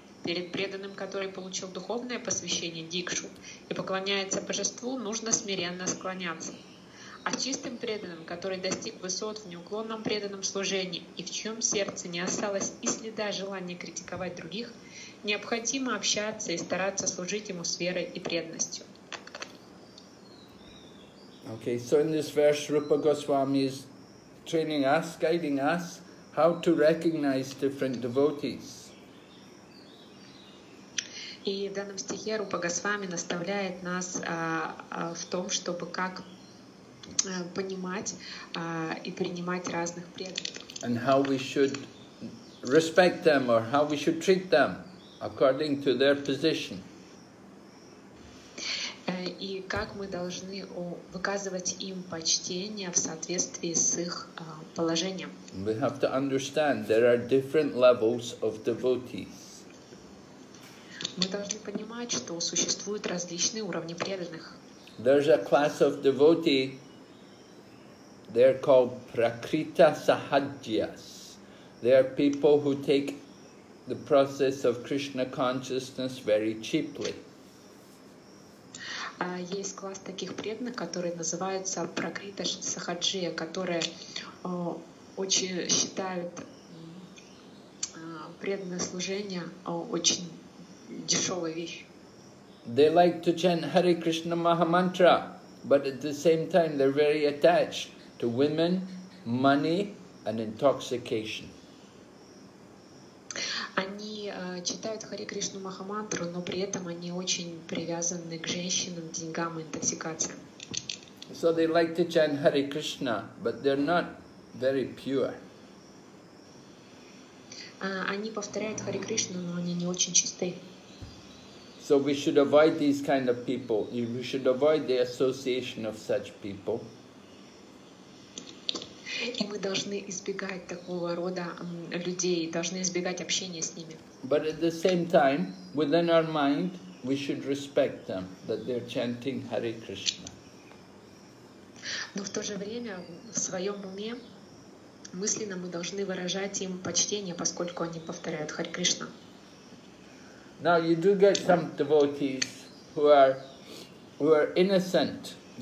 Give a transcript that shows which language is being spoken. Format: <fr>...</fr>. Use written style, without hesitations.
<ru>Перед преданным, который получил духовное посвящение дикшу и поклоняется божеству, нужно смиренно склоняться. А чистым преданным, который достиг высот в неуклонном преданном служении и в чьем сердце не осталось и следа желания критиковать других, необходимо общаться и стараться служить ему с верой и преданностью.</ru> <en>Okay, so in this verse Rupa Goswami is training us, guiding us, how to recognize different devotees.</en> <ru>И в данном стихе Рупа Госвами наставляет нас в том, чтобы как понимать и принимать разных преданных.</ru> <en>And how we should respect them or how we should treat them according to their position.</en> <ru>И как мы должны выказывать им почтение в соответствии с их положением.</ru> <en>We have to understand there are different levels of devotees.</en> <ru>Мы должны понимать, что существуют различные уровни преданных.</ru> <en>There's a class of devotee. They are called Prakrita Sahajyas. They are people who take the process of Krishna consciousness very cheaply.</en> <ru>Есть класс таких преданных, которые называются Prakrita Sahajya, которые очень считают преданное служение очень дешевой вещью.</ru> <en>They like to chant Hare Krishna Maha Mantra, but at the same time they're very attached to women, money, and intoxication.</en> <ru>Они читают Хари Кришну Махамантру, но при этом они очень привязаны к женщинам, деньгам и интоксикациям.</ru> <en>So they like to chant Hare Krishna, but they're not very pure.</en> <ru>Они повторяют Хари Кришну, но они не очень чисты.</ru> <en>So we should avoid these kind of people. We should avoid the association of such people.</en> <ru>И мы должны избегать такого рода людей, должны избегать общения с ними.</ru> <en>But at the same time, within our mind, we should respect them, that they're chanting Hare Krishna.</en> <ru>Но в то же время, в своем уме, мысленно мы должны выражать им почтение, поскольку они повторяют Hare Krishna.</ru> <en>Now you do get some devotees who are innocent.</en>